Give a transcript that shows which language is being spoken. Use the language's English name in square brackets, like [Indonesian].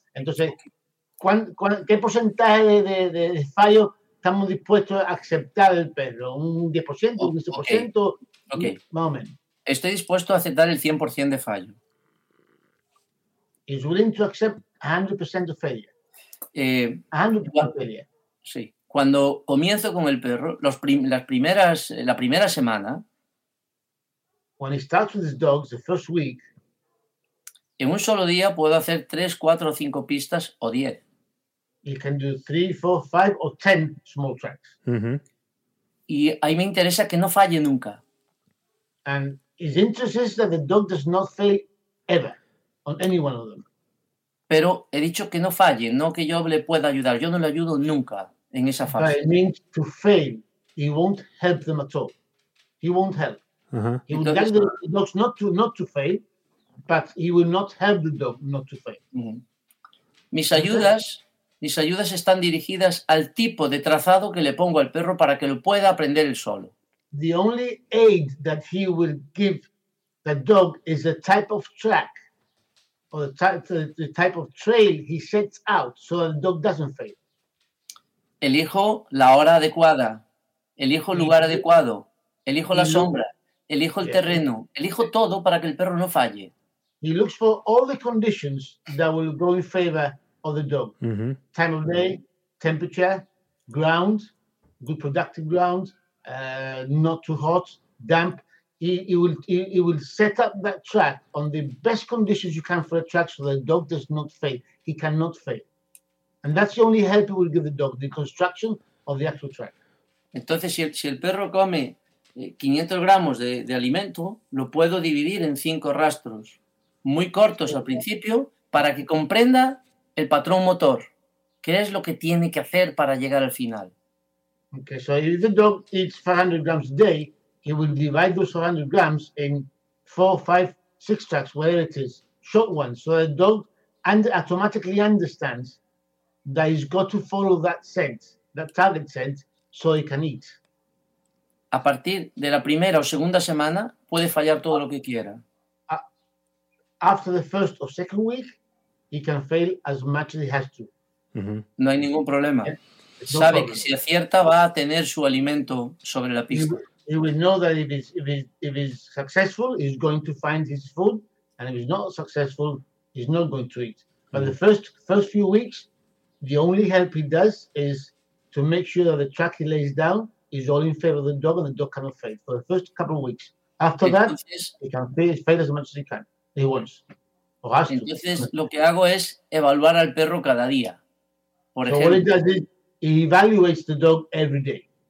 [Spanish] Entonces, ¿qué porcentaje de fallo estamos dispuestos a aceptar del perro? ¿Un 10%, un 15%? [English] Okay. [Spanish] Más o menos. Estoy dispuesto a aceptar el 100% de fallo. [English] Is willing to accept 100% of failure. 100% of failure. [Spanish] Sí. Cuando comienzo con el perro, la primera semana. [English] When he starts with his dogs, the first week. [Spanish] En un solo día puedo hacer 3, 4, 5 pistas o 10. [English] He can do 3, 4, 5, or 10 small tracks. [Spanish] Mm-hmm. Y ahí me interesa que no falle nunca. [English] And his interest is that the dog does not fail ever on any one of them. [Spanish] Pero he dicho que no falle, no que yo le pueda ayudar. Yo no le ayudo nunca en esa fase. [English] But it means to fail. He won't help them at all. He won't help. Uh-huh. He will guide the dogs not to fail, but he will not help the dog not to fail. Mm-hmm. [Spanish] Mis ayudas están dirigidas al tipo de trazado que le pongo al perro para que lo pueda aprender él solo. [English] The only aid that he will give the dog is the type of track or the type of trail he sets out so the dog doesn't fail. [Spanish] Elijo la hora adecuada, elijo el lugar adecuado, elijo la sombra, elijo el terreno, elijo todo para que el perro no falle. [English] He looks for all the conditions that will go in favor of the dog. Mm-hmm. Time of day, temperature, ground, good productive ground, not too hot, damp. He will set up that track on the best conditions you can for a track so the dog does not fail. He cannot fail. And that's the only help he will give the dog, the construction of the actual track. [Spanish] Entonces, si el perro come 500 gramos de alimento, lo puedo dividir en 5 rastros muy cortos al principio para que comprenda el patrón motor, qué es lo que tiene que hacer para llegar al final. [English] Okay, so if the dog eats 500 grams a day, he will divide those 500 grams in 4, 5, 6 tracks, whatever it is, short ones, so the dog automatically understands that he's got to follow that scent, that target scent, so he can eat. [Spanish] A partir de la primera o segunda semana, puede fallar todo lo que quiera. [English] After the first or second week, he can fail as much as he has to. Mm-hmm. [Spanish] No hay ningún problema. Sabe que si acierta va a tener su alimento sobre la pista. [English] He will know that if he's successful, he's going to find his food, and if he's not successful, he's not going to eat. Mm-hmm. But the first few weeks, the only help he does is to make sure that the track he lays down is all in favor of the dog, and the dog cannot fail for the first couple of weeks. After [Spanish] entonces, [English] that, he can fail as much as he can. He wants. Or has [Spanish] entonces, [English] to. [Spanish] Lo que hago es evaluar al perro cada día. Por [English] so [Spanish] ejemplo, [English] what he does is, he evaluates the dog every day.